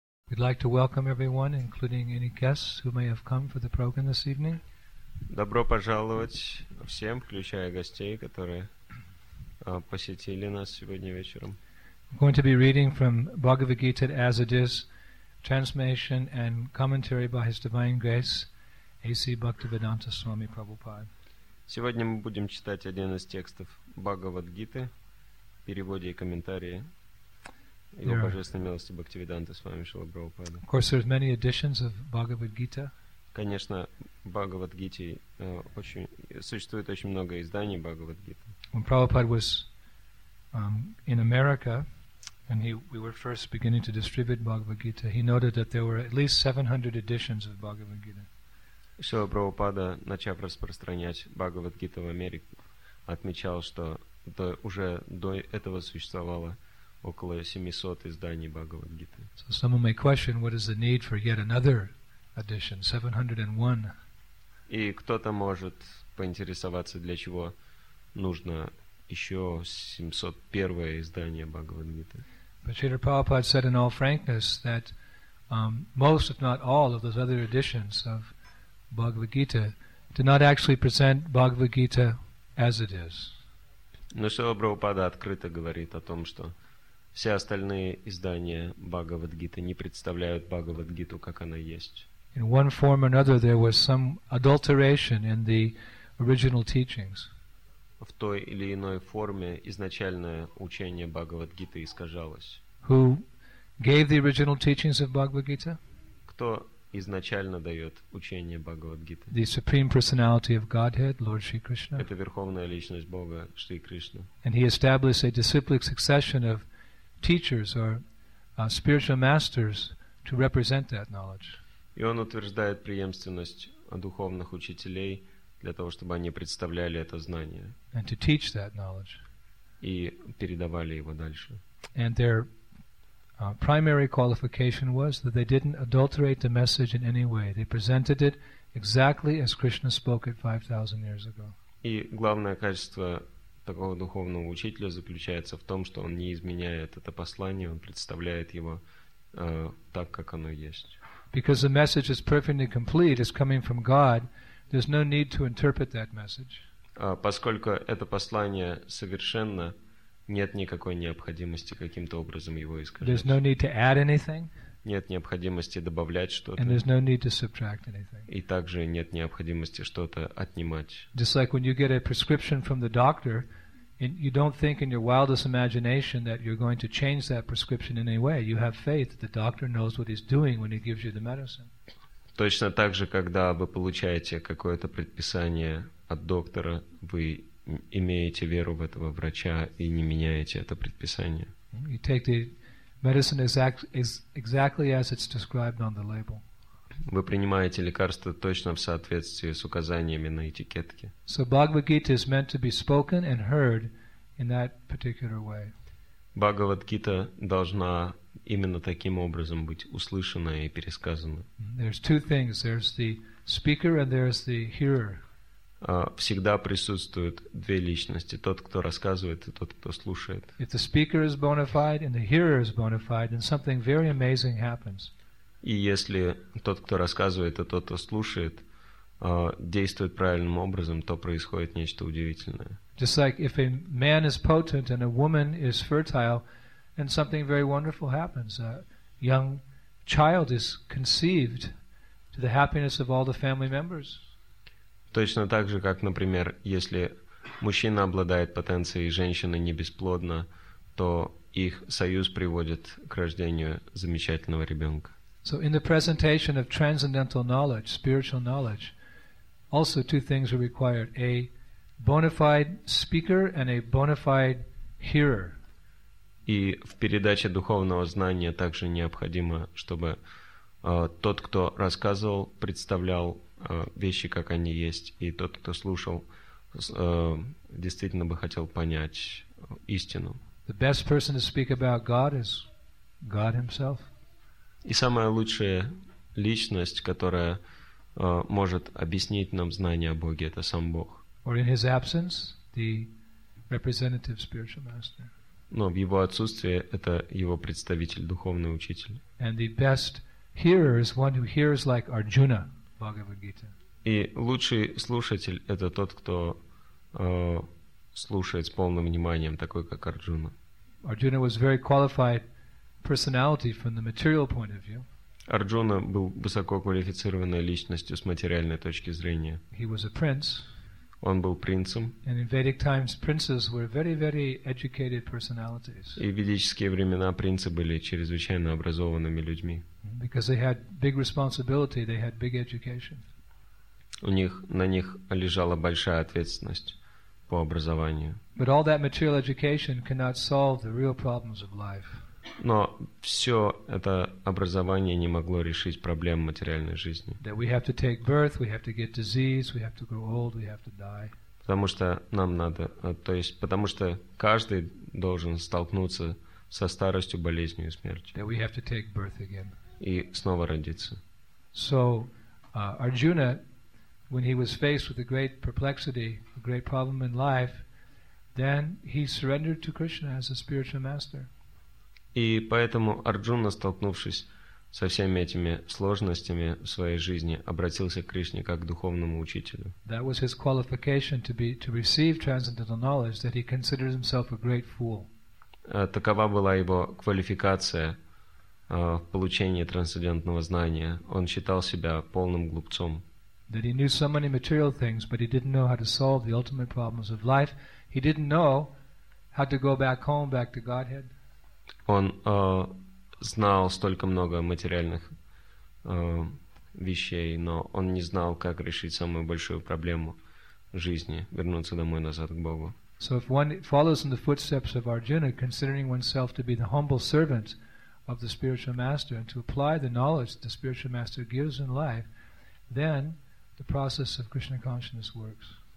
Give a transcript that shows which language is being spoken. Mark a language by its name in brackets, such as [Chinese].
[English] We'd like to welcome everyone, including any guests who may have come for the program this evening. [Russian] Добро пожаловать всем, включая гостей, которые посетили нас сегодня вечером. [English] I'm going to be reading from Bhagavad Gita as it is, translation and commentary by His Divine Grace, A.C. Bhaktivedanta Swami Prabhupada. [Russian] Сегодня мы будем читать один из текстов Бхагавад Гиты, переводе и комментарии. Его божественной милости Бхактивиданта Свами Шрила Прабхупада. [English] Of course, there's many editions of Bhagavad Gita. [Russian] Конечно, Бхагавад Гите существует очень много изданий Бхагавад Гиты. [English] When Prabhupada was in America, and we were first beginning to distribute Bhagavad Gita, he noted that there were at least 700 editions of Bhagavad Gita. [Russian] Шрила Прабхупада, начав распространять Бхагавад Гиту в Америке, отмечал, что уже до этого существовало около 700 изданий Бхагавад Гиты. [English] So someone may question, what is the need for yet another edition, 701? [Russian] И кто-то может поинтересоваться, для чего нужно еще 701 издание Бхагавад Гиты. [English] But Srila Prabhupada said in all frankness that most, if not all, of those other editions of Bhagavad Gita do not actually present Bhagavad Gita as it is. [Russian] Но Srila Prabhupada открыто говорит о том, что все остальные издания Бхагавад-гиты не представляют Бхагавад-гиту, как она есть. [English] In one form or another, there was some adulteration in the original teachings. [Russian] В той или иной форме изначальное учение Бхагавад-гиты искажалось. [English] Who gave the original teachings of Bhagavad-gita? [Russian] Кто изначально дает учение Бхагавад-гиты? [English] The Supreme Personality of Godhead, Lord Shri Krishna. [Russian] Это верховная личность Бога, Шри Кришна. [English] And he established a disciplic succession of teachers or spiritual masters to represent that knowledge. [Russian] И он утверждает преемственность духовных учителей для того, чтобы они представляли это знание. [English] And to teach that knowledge. [Russian] И передавали его дальше. [English] And their primary qualification was that they didn't adulterate the message in any way. They presented it exactly as Krishna spoke it 5,000 years ago. [Russian] И главное качество такого духовного учителя заключается в том, что он не изменяет это послание, он представляет его так, как оно есть. [English] Because the message is perfectly complete, it's coming from God, there's no need to interpret that message. [Russian] Поскольку это послание совершенно, нет никакой необходимости каким-то образом его искажать. [English] There's no need to add anything. [Russian] Нет необходимости добавлять что-то. [English] And there's no need to subtract anything. [Russian] И также нет необходимости что-то отнимать. [English] Just like when you get a prescription from the doctor, you don't think in your wildest imagination that you're going to change that prescription in any way. You have faith that the doctor knows what he's doing when he gives you the medicine. [Russian] Точно так же, когда вы получаете какое-то предписание от доктора, вы имеете веру в этого врача и не меняете это предписание. [English] You take the medicine exactly as it's described on the label. [Russian] Вы принимаете лекарство точно в соответствии с указаниями на этикетке. [English] So Bhagavad Gita is meant to be spoken and heard in that particular way. [Russian] Bhagavad Gita должна именно таким образом быть услышана и пересказана. [English] There's two things. There's the speaker and there's the hearer. [Russian] Всегда присутствуют две личности: тот, кто рассказывает, и тот, кто слушает. [English] If the speaker is bona fide and the hearer is bona fide, then something very amazing happens. [Russian] И если тот, кто рассказывает, и тот, кто слушает, действует правильным образом, то происходит нечто удивительное. [English] Just like if a man is potent and a woman is fertile, then something very wonderful happens. A young child is conceived to the happiness of all the family members. [Russian] Точно так же, как, например, если мужчина обладает потенцией, и женщина не бесплодна, то их союз приводит к рождению замечательного ребенка. [English] So in the presentation of transcendental knowledge, spiritual knowledge, also two things are required: a bona fide speaker and a bona fide hearer. [Russian] И в передаче духовного знания также необходимо, чтобы тот, кто рассказывал, представлял вещи, как они есть, и тот, кто слушал, действительно бы хотел понять истину. [English] The best person to speak about God is God himself. [Russian] И самая лучшая личность, которая может объяснить нам знание о Боге, это сам Бог. [English] Or in his absence, the representative spiritual master. [Russian] Но в его отсутствии это его представитель, духовный учитель. [English] And the best hearer is one who hears like Arjuna, Bhagavad Gita. [Russian] И лучший слушатель это тот, кто слушает с полным вниманием, такой как Арджуна. [English] Arjuna was very qualified personality from the material point of view. [Russian] Арджуна был высококвалифицированной личностью с материальной точки зрения. [English] He was a prince. [Russian] Он был принцем. [English] And in Vedic times, princes were very, very educated personalities. [Russian] И в ведические времена принцы были чрезвычайно образованными людьми. [English] Because they had big responsibility, they had big education. [Russian] У них, на них лежала большая ответственность по образованию. [English] But all that material education cannot solve the real problems of life. [Russian] Но все это образование не могло решить проблем материальной жизни. [English] That we have to take birth, we have to get disease, we have to grow old, we have to die. [Russian] Потому что нам надо, то есть, потому что каждый должен столкнуться со старостью, болезнью и смертью. [English] That we have to take birth again. [Russian] И снова родиться. [English] So, Arjuna, when he was faced with a great perplexity, a great problem in life, then he surrendered to Krishna as a spiritual master. [Russian] И поэтому Арджуна, столкнувшись со всеми этими сложностями в своей жизни, обратился к Кришне как к духовному учителю. [English] That was his qualification to receive transcendental knowledge, that he considered himself a great fool. [Russian] Такова была его квалификация в получении трансцендентного знания. Он считал себя полным глупцом. [English] That he knew so many material things, but he didn't know how to solve the ultimate problems of life. He didn't know how to go back home, back to Godhead. [Russian] Он знал столько много материальных вещей, но он не знал, как решить самую большую проблему жизни, вернуться домой назад к Богу. [English] So if one follows in the footsteps of Arjuna, considering oneself to be the humble servant of the spiritual master and to apply the knowledge the spiritual master gives in life, then the process of Krishna consciousness works.